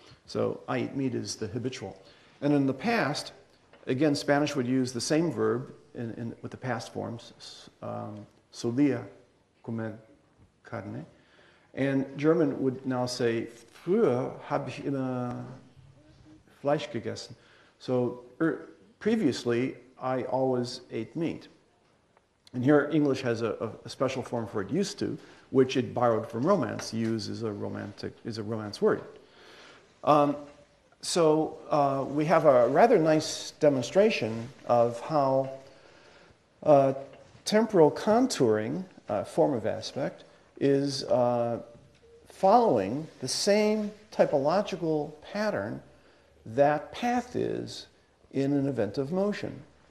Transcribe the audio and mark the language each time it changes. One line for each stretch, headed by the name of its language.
English: So, I eat meat is the habitual. And in the past, again, Spanish would use the same verb in with the past forms,
Spanish: solía comer carne.
English: And German would now say,
German: früher habe ich immer Fleisch gegessen.
English: So previously, I always ate meat. And here, English has a special form for it used to, which it borrowed from Romance, use is a Romance word. So we have a rather nice demonstration of how temporal contouring, a form of aspect, is following the same typological pattern that path is in an event of motion.